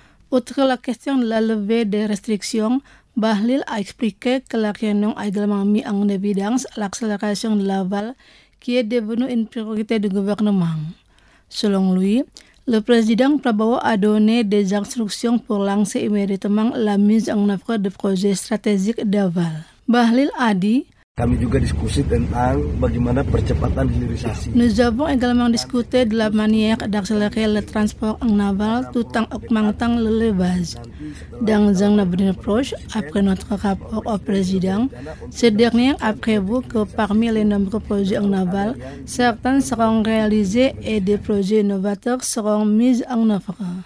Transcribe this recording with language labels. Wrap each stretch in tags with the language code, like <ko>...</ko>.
<fr>Outre la question de la levée des restrictions, Bahlil a expliqué que la réunion a également mis en évidence l'accélération de l'aval qui est devenue une priorité du gouvernement. Selon lui, le président Prabowo a donné des instructions pour lancer immédiatement la mise en œuvre de projets stratégiques d'aval. Bahlil a dit:</fr> <id>Kami juga diskusi tentang bagaimana percepatan hilirisasi.</id> <fr>Nous avons également discuté de la manière d'accélérer le transport en aval tout en augmentant le levage. Dans un avenir proche, après notre rapport au président, ce dernier a prévu que parmi les nombreux projets en aval, certains seront réalisés et des projets innovateurs seront mis en œuvre.</fr>